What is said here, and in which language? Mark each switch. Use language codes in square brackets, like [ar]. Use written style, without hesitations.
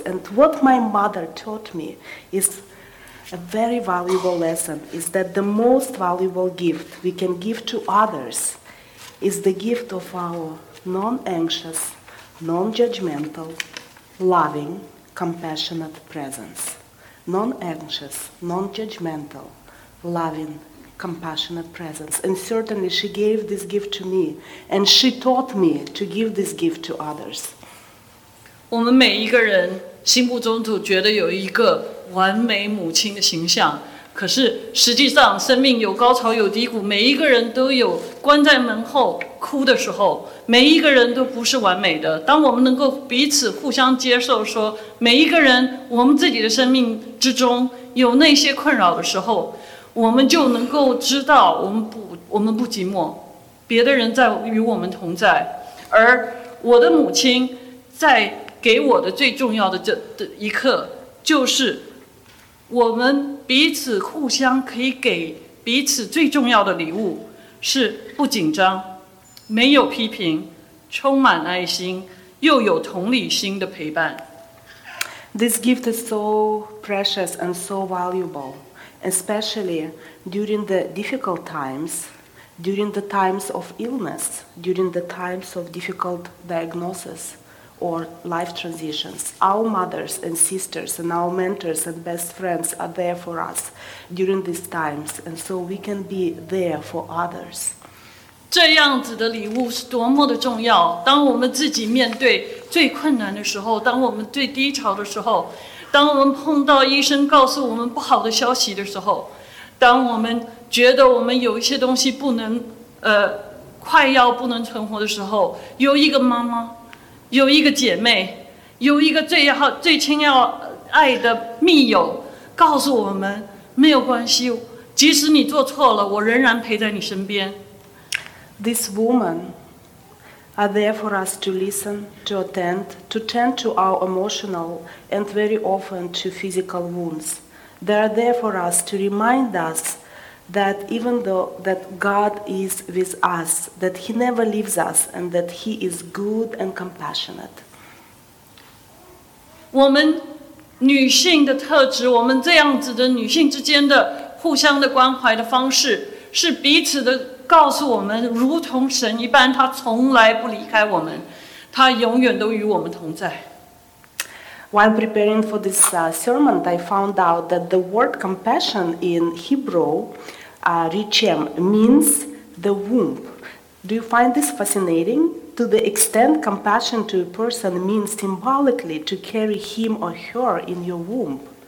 [en] And what my mother taught me is a very valuable lesson, is that the most valuable gift we can give to others is the gift of our non-anxious, non-judgmental, loving, compassionate presence. Non-anxious, non-judgmental, loving,compassionate presence. And certainly she gave this gift to me, and she taught me to give this gift to others. [zh] 我们每一个人心目中都觉得有一个完美母亲的形象，可是实际上生命有高潮有低谷，每一个人都有关在门后哭的时候，每一个人都不是完美的。当我们能够彼此互相接受，说每一个人我们自己的生命之中有那些困扰的时候，我们就能够知道我们不寂寞，别的人在与我们同在。而我的母亲在给我的最重要的这一刻，就是我们彼此互相可以给彼此最重要的礼物是不紧张，没有批评，充满爱心，又有同理心的陪伴。 [en] This gift is so precious and so valuable, especially during the difficult times, during the times of illness, during the times of difficult diagnosis or life transitions. Our mothers and sisters and our mentors and best friends are there for us during these times, and so we can be there for others. [zh] 这样子的礼物是多么的重要，当我们自己面对最困难的时候，当我们最低潮的时候，当我们碰到医生告诉我们不好的消息的时候，当我们觉得我们有一些东西不能快要不能存活的时候，有一个妈妈，有一个姐妹，有一个最好最亲要爱的密友告诉我们没有关系，即使你做错了，我仍然陪在你身边。 [en] These women are there for us to listen, to attend, to tend to our emotional and very often to physical wounds. They are there for us to remind us that even though that God is with us, that He never leaves us and that He is good and compassionate. [zh] 我们女性的特质，我们这样子的女性之间的互相的关怀的方式，是彼此的告诉我们，如同神一般，他从来不离开我们，他永远都与我们同在。 [en] While preparing for this sermon, I found out that the word compassion in Hebrew, rechem, means the womb. Do you find this fascinating? To the extent compassion to a person means symbolically to carry him or her in your womb.